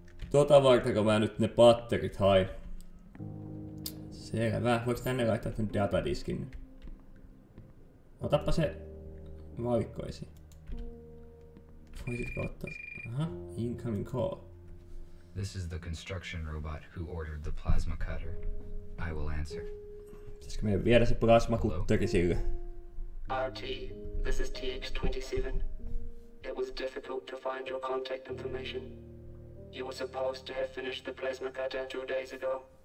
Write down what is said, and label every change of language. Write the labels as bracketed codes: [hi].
[fi] Tota varten, kun mä nyt ne batterit hain. Selvä, voiko tänne laittaa tän datadiskin? Otappa se valikko esiin. Voisitko ottaa se? Aha, [en] incoming call. This is the construction robot who ordered the plasma cutter. I will answer. [fi] Pitäisikö meidän viedä se plasma cutteri sille? [en] RT, this is TX-27. It was difficult to find your contact information. You were supposed to have finished the plasma cutter 2 days ago.